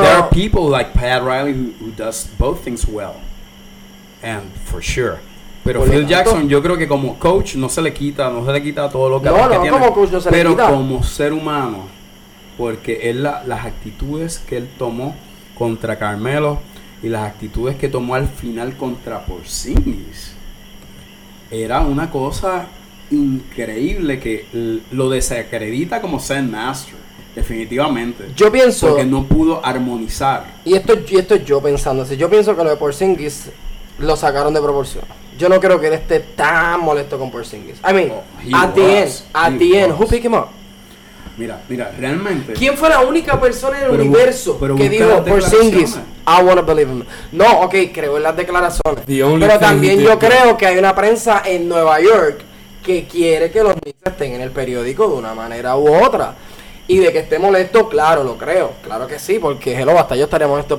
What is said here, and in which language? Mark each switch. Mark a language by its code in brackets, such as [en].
[en] There are people like Pat Riley who does both things well. And for sure. [es] Pero Phil Jackson, yo creo que como coach no se le quita todo lo que tiene. como coach no se pero le quita. Pero como ser humano, porque él las actitudes que él tomó contra Carmelo... Y las actitudes que tomó al final contra Porzingis era una cosa increíble que lo desacredita como Zen Master, definitivamente. Yo pienso... Porque no pudo armonizar. Y esto es yo pensando así. Yo pienso que lo de Porzingis lo sacaron de proporción. Yo no creo que él esté tan molesto con Porzingis. [en] I mean, at the end, who picked him up? [es] Mira, realmente... ¿Quién fue la única persona en el universo que dijo, Porzingis, [en] I want to believe him? [es] No, ok, creo en las declaraciones. Pero también yo creo que hay una prensa en Nueva York que quiere que los Knicks estén en el periódico de una manera u otra. Y de que esté molesto, claro, lo creo. Claro que sí, porque, hello, hasta yo estaría molesto.